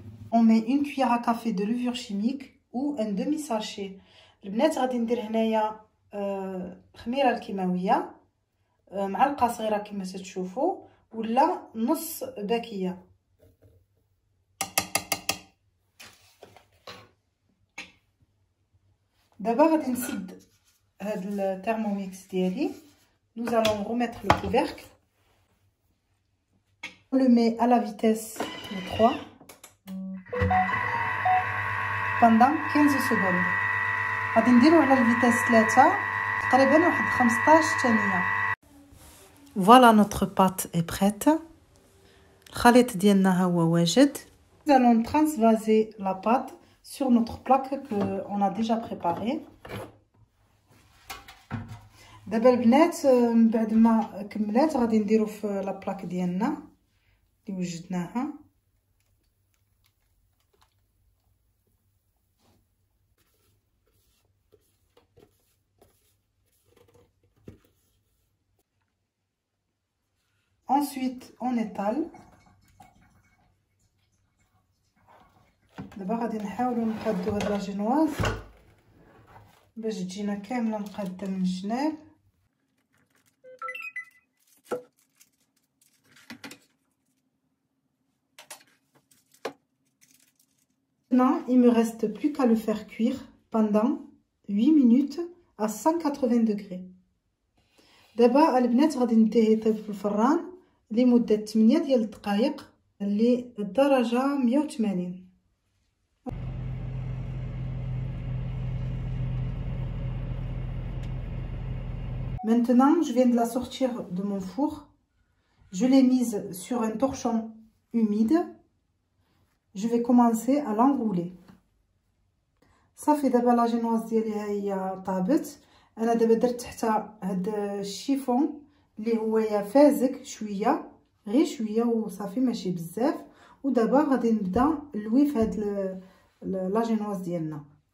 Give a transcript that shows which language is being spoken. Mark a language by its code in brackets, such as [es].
[fr] On met une cuillère à café de levure chimique ou un demi sachet. [ar] Le bnet غادي ندير هنايا خميره الكيماويه، معلقه صغيره كما تشوفوا، ولا نص باكيه. [fr] D'abord, à l'inside le thermomix d'ici, nous allons remettre le couvercle. On le met à la vitesse de 3 pendant 15 secondes. [ar] غادي نديرو على الفيتاس 3 تقريبا واحد 15 ثانيه. [fr] Voilà, notre pâte est prête. [ar] الخليط ديالنا ها هو واجد. [fr] Nous allons transvaser la pâte sur notre plaque que on a déjà préparée. [ar] دابا البنات بعد ما كملات غادي نديرو في لا بلاك ديالنا اللي وجدناها. [fr] Ensuite, on étale. D'abord, on va essayer de faire la génoise. Je vais vous montrer comment on va faire la génoise. Maintenant, il ne me reste plus qu'à le faire cuire pendant 8 minutes à 180 degrés. D'abord, on va mettre le tahete dans le four. [ar] لمدة 8 ديال الدقائق لدرجة 180. [fr] Maintenant, je viens de la sortir de mon four. Je l'ai mise sur un torchon humide. Je vais commencer à l'enrouler. Ça fait d'abord la génoise [ar] ديالي هي طابت. انا دابا درت تحت هاد الشيفون اللي هو فازك شوية. غير شويه وصافي ماشي بزاف. ودابا غادي نبدا نلوي في هاد لا جينواز ديالنا.